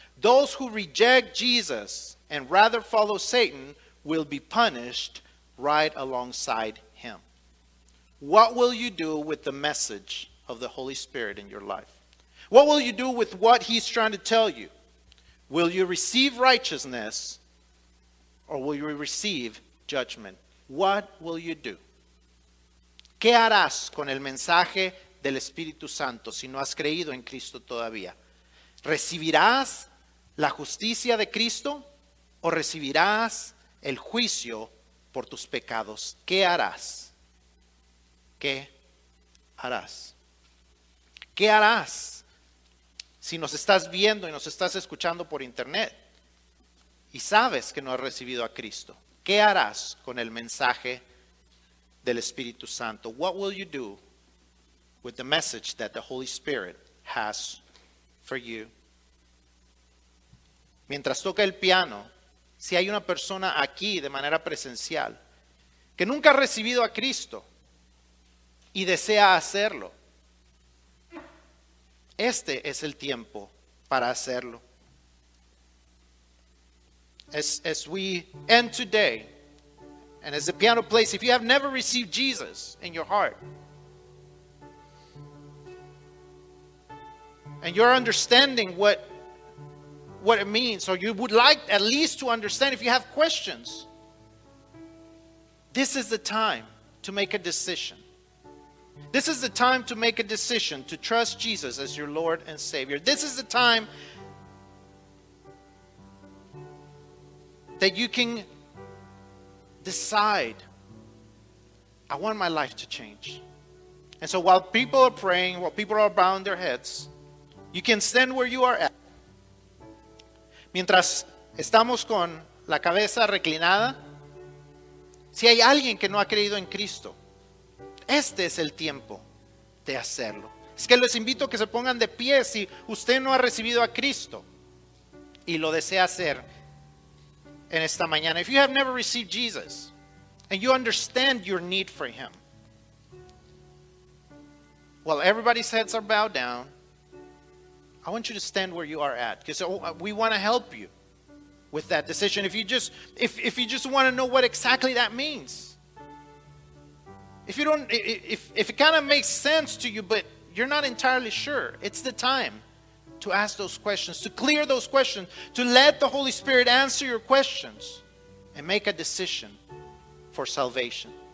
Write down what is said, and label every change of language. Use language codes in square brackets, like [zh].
[en] Those who reject Jesus and rather follow Satan will be punished right alongside him. What will you do with the message of the Holy Spirit in your life? What will you do with what he's trying to tell you? Will you receive righteousness or will you receive judgment? What will you do? [es] ¿Qué harás con el mensaje del Espíritu Santo si no has creído en Cristo todavía? ¿Recibirás la justicia de Cristo o recibirás el juicio por tus pecados? ¿Qué harás? ¿Qué harás? ¿Qué harás si nos estás viendo y nos estás escuchando por internet y sabes que no has recibido a Cristo? ¿Qué harás con el mensaje del Espíritu Santo? [en] What will you do with the message that the Holy Spirit has for you? [es] Mientras toca el piano, si hay una persona aquí de manera presencial que nunca ha recibido a Cristo y desea hacerlo, este es el tiempo para hacerlo. [en] As we end today, and as the piano plays, if you have never received Jesus in your heart, and you're understanding what it means, or you would like at least to understand, if you have questions, this is the time to make a decision. This is the time to make a decision to trust Jesus as your Lord and Savior. This is the time that you can decide, I want my life to change. And so while people are praying, while people are bowing their heads, you can stand where you are at. [es] Mientras estamos con la cabeza reclinada, si hay alguien que no ha creído en Cristo, este es el tiempo de hacerlo. Es que les invito a que se pongan de pie si usted no ha recibido a Cristo y lo desea hacer en esta mañana. [en] If you have never received Jesus and you understand your need for him, while everybody's heads are bowed down, I want you to stand where you are at, because we want to help you with that decision. If you just want to know what exactly that means, if it kind of makes sense to you but you're not entirely sure, it's the time to ask those questions, to clear those questions, to let the Holy Spirit answer your questions and make a decision for salvation.